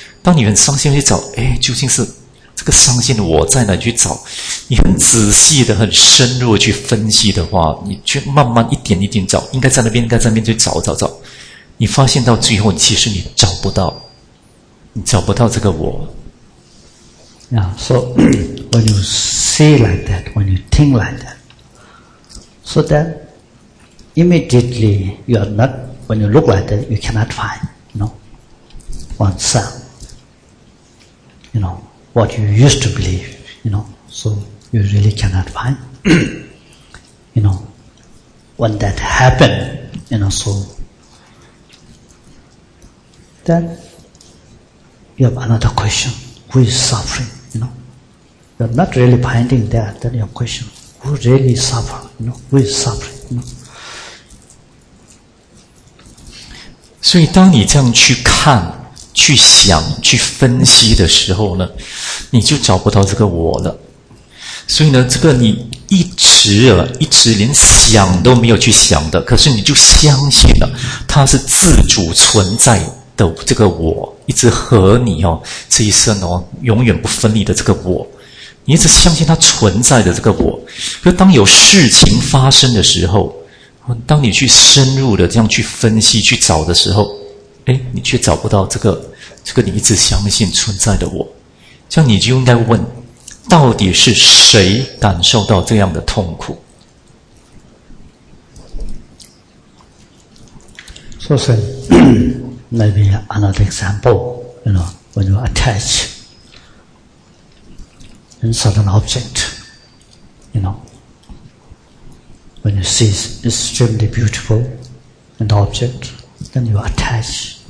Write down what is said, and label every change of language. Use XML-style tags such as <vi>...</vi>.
<zh>当你很伤心去找，哎，究竟是这个伤心的我在哪去找？你很仔细的、很深入的去分析的话，你去慢慢一点一点找，应该在那边，应该在那边去找找找。你发现到最后，其实你找不到，你找不到这个我。</zh> <en>Yeah, so when you say like that, when you think like that, so then immediately you are not when you look like that, you cannot find, you know, oneself, you know. What you used to believe, you know, so you really cannot find, you know, when that happened, you know, so then you have another question, who is suffering, you know, you're not really finding that, then your question, who really suffer, you know, who is suffering, you know.</en> <zh>所以当你这样去看去想去分析的时候呢，你就找不到这个我了。所以呢，这个你一直啊，一直连想都没有去想的，可是你就相信了它是自主存在的这个我，一直和你哦这一生哦永远不分离的这个我，你一直相信它存在的这个我。可是当有事情发生的时候，当你去深入的这样去分析去找的时候，哎，你却找不到这个你一直相信存在的我，这样你就应该问，到底是谁感受到这样的痛苦</zh> <en>？So say, maybe another example, you know, when you attach a certain object, you know, when you see it's extremely beautiful, an object, then you attach.</en>